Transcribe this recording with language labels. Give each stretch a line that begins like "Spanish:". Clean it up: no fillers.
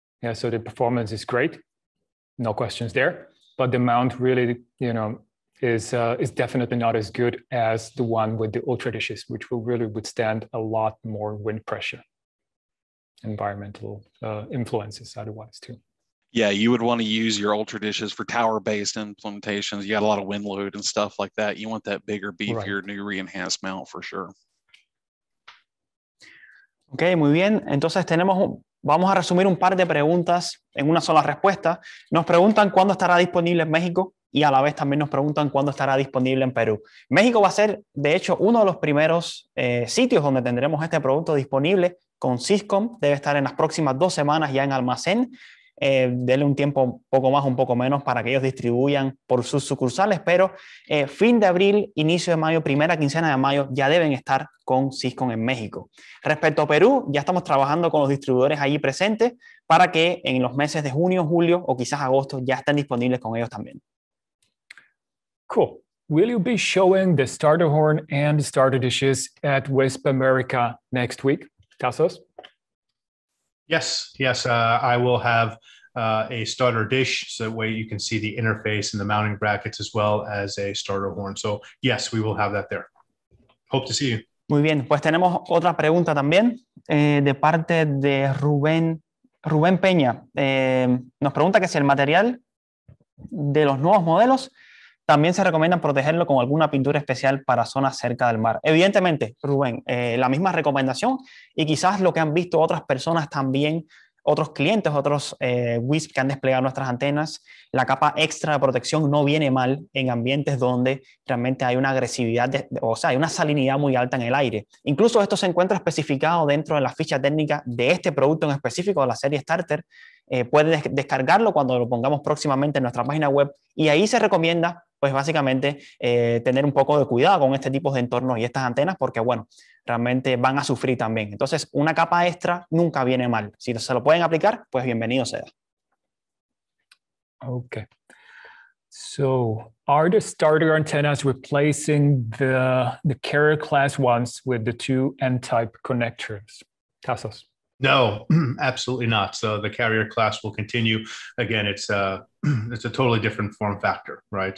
English: Yeah, so the performance is great, no questions there, but the mount really, you know, is definitely not as good as the one with the ultra dishes, which will really withstand a lot more wind pressure, environmental influences otherwise too. Yeah, you would want to use your ultra dishes for tower-based implementations. You got a lot of wind load and stuff like that. You want that bigger, beefier, right, new re-enhanced mount for sure.
Spanish: Ok, muy bien. Entonces vamos a resumir un par de preguntas en una sola respuesta. Nos preguntan cuándo estará disponible en México y a la vez también nos preguntan cuándo estará disponible en Perú. México va a ser, de hecho, uno de los primeros sitios donde tendremos este producto disponible con Syscom. Debe estar en las próximas 2 semanas ya en almacén. Denle un tiempo un poco más, un poco menos para que ellos distribuyan por sus sucursales, pero fin de abril, inicio de mayo, primera quincena de mayo ya deben estar con Syscom en México. Respecto a Perú, ya estamos trabajando con los distribuidores allí presentes para que en los meses de junio, julio o quizás agosto ya estén disponibles con ellos también.
English: Cool. Will you be showing the starter horn and starter dishes at West America next week, Tasos? Yes. I will have a starter dish, so that way you can see the interface and the mounting brackets as well as a starter horn. So yes, we will have that there. Hope to see you.
Spanish: Muy bien. Pues tenemos otra pregunta también de parte de Rubén Peña. Nos pregunta que si el material de los nuevos modelos también se recomienda protegerlo con alguna pintura especial para zonas cerca del mar. Evidentemente, Rubén, la misma recomendación y quizás lo que han visto otras personas también, otros clientes, otros WISP que han desplegado nuestras antenas, la capa extra de protección no viene mal en ambientes donde realmente hay una agresividad, hay una salinidad muy alta en el aire. Incluso esto se encuentra especificado dentro de la ficha técnica de este producto en específico, de la serie Starter. Puede descargarlo cuando lo pongamos próximamente en nuestra página web y ahí se recomienda, pues básicamente, tener un poco de cuidado con este tipo de entornos y estas antenas porque, bueno, realmente van a sufrir también. Entonces, una capa extra nunca viene mal. Si se lo pueden aplicar, pues bienvenido sea.
English: Ok. So, are the starter antennas replacing the carrier class ones with the two N-type connectors? Tasos. No, absolutely not. So the carrier class will continue. Again, it's a totally different form factor, right?